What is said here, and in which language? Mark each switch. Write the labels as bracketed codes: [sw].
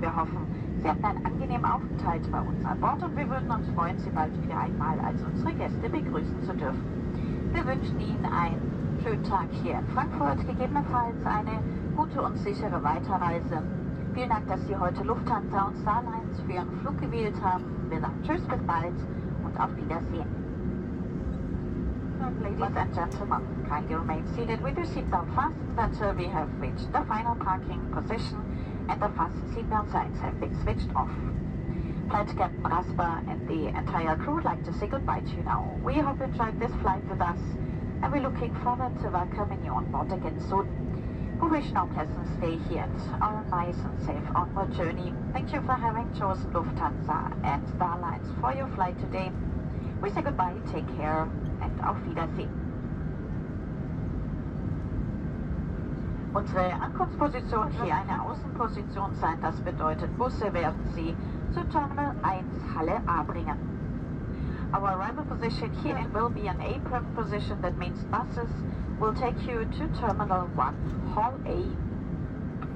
[de] Wir hoffen, Sie hatten einen angenehmen Aufenthalt bei uns an Bord und wir würden uns freuen, Sie bald wieder einmal als unsere Gäste begrüßen zu dürfen. Wir wünschen Ihnen einen schönen Tag hier in Frankfurt, gegebenenfalls eine gute und sichere Weiterreise. Vielen Dank, dass Sie heute Lufthansa und Starlines für Ihren Flug gewählt haben. Wir sagen Tschüss, bis bald und auf Wiedersehen. [en] Ladies and gentlemen, kindly remain seated with your seatbelt fastened until we have reached the final parking position and the fastened seatbelt signs have been switched off. Flight Captain Rasper and the entire crew would like to say goodbye to you now. We hope you enjoyed this flight with us and we're looking forward to welcoming you on board again soon. We wish you a pleasant stay here and a nice and safe onward journey. Thank you for having chosen Lufthansa and Starlines for your flight today. We say goodbye, take care. [de] Auf Wiedersehen. Unsere Ankunftsposition hier eine Außenposition sein, das bedeutet, Busse werden Sie zu Terminal 1 Halle A bringen. [en] Our arrival position here will be an apron position, that means buses will take you to Terminal 1 Hall A.